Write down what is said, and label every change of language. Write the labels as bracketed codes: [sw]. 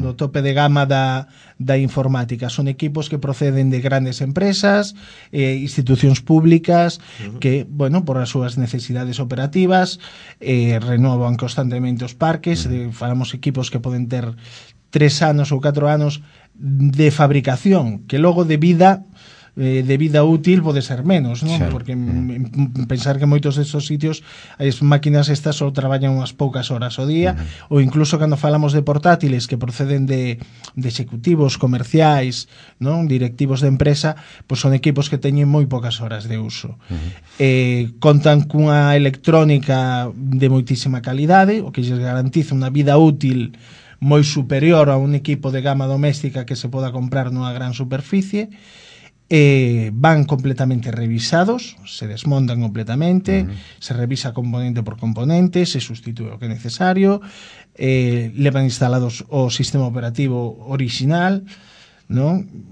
[gl] Do tope de gama da informática. [es] Son equipos que proceden de grandes empresas, instituciones públicas, mm-hmm. que, bueno, por las suas necesidades operativas, renuevan constantemente los parques. Mm. [gl] Falamos [es] equipos que pueden tener 3 años o 4 años de fabricación, que luego de vida útil puede ser menos, ¿no? Sí. [gl] Porque pensar que moitos de esos sitios as máquinas estas só traballan unhas poucas horas o día, uh-huh. ou incluso cando falamos de portátiles que proceden de executivos comerciais, ¿no? Directivos de empresa, pues son equipos que teñen moi poucas horas de uso. Uh-huh. Contan cunha electrónica de moitísima calidade, o que lles garantiza unha vida útil moi superior a un equipo de gama doméstica que se poda comprar nunha gran superficie. [es] Van completamente revisados, se desmontan completamente, uh-huh. se revisa componente por componente, se sustituye lo que es necesario, le van instalados o sistema operativo original, ¿no?